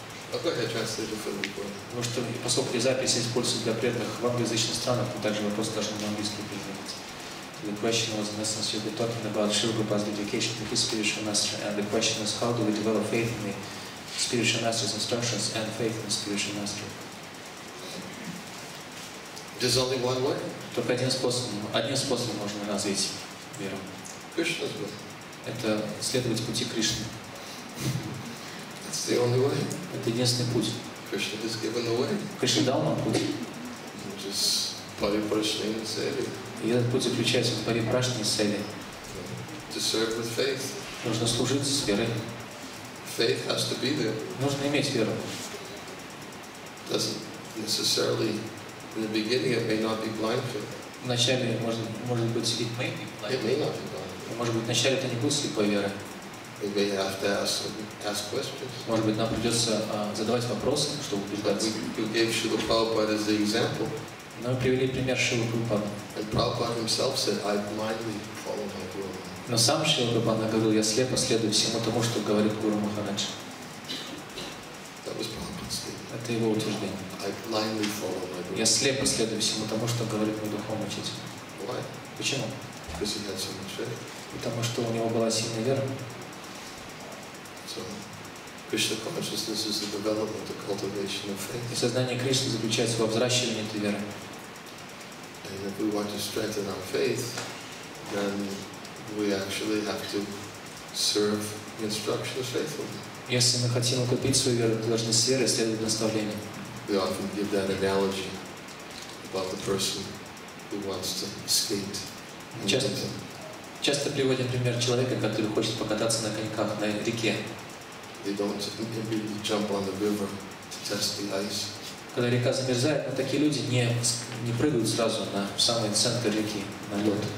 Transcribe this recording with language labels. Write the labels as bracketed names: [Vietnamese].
[Russian] Потому что, поскольку запись используется для преданных в англоязычных странах, то также вопрос должен на английском переводиться. [English] The question was, in essence, you've been talking about Srila Prabhupada's dedication to his spiritual master, and the question is, how do we develop faith in the spiritual master's instructions and faith in the spiritual master? There's only one way? [Russian] Только одним способом можно развить веру. [English] Krishna's way. [Russian] Это следовать пути Кришны. [English] It's the only way. [Russian] Это единственный путь. [English] Krishna has given the way. [Russian] Кришна дал нам путь. [English] Which is Parivrashni and Sele. [Russian] И этот путь заключается в Парипрашне и Сели. [English] To serve with faith. [Russian] Нужно служить с верой. [English] Faith has to be there. [Russian] Нужно иметь веру. [English] Doesn't necessarily in the beginning it may not be blind faith. [Russian] Вначале может быть [English] it may be blind. It may not be blind. [Russian] Может быть, вначале это не будет слепой верой. [English] Maybe you have to ask questions. [Russian] Может быть, нам придется задавать вопросы, чтобы убедиться. [English] You gave Srila Prabhupada as the example. [Russian] Нам привели пример Шрилы Прабхупады. [English] And Prabhupada himself said, "I blindly follow my guru." [Russian] Но сам Шрила Прабхупада говорил, я слепо следую всему тому, что говорит Гуру Махарадж. [English] That was Prabhupada's statement. [Russian] Это его утверждение. [English] I blindly follow my guru. [Russian] Я слепо следую всему тому, что говорит мой духовный учитель. [English] Why? [Russian] Почему? [English] Because he had so much faith. [Russian] Потому что у него была сильная вера. [English] So, Krishna consciousness is the development, the cultivation of faith. [Russian] И сознание Кришны заключается во взращивании этой веры. [English] And if we want to strengthen our faith, then we actually have to serve the instructions faithfully. [Russian] Если мы хотим укрепить свою веру, то должны с верой следовать наставлениям. [English] We often give that analogy about the person who wants to skate. [Russian] Часто приводим пример человека, который хочет покататься на коньках на реке. [English] They don't immediately jump on the river to test the ice. [Russian] Когда река замерзает, но такие люди не прыгают сразу на самый центр реки, на лед.